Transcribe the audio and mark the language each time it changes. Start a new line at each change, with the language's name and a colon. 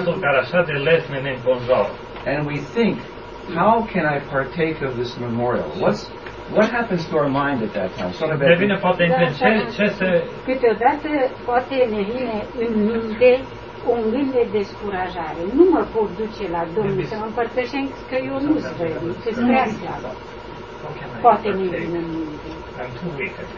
Romanian: Care așa de lesne ne înconjoară.
English: And we think, how can I partake of this memorial? What happens to our mind at that time?
Romanian: Sora Beatrice. Ne vine poate în minte ce se... Câteodată poate ne vine în minte un gând de descurajare. Nu mă pot duce la Domnul să mă împărtășesc că eu nu sunt vrednic, că sunt prea slab. Poate ne vine în minte.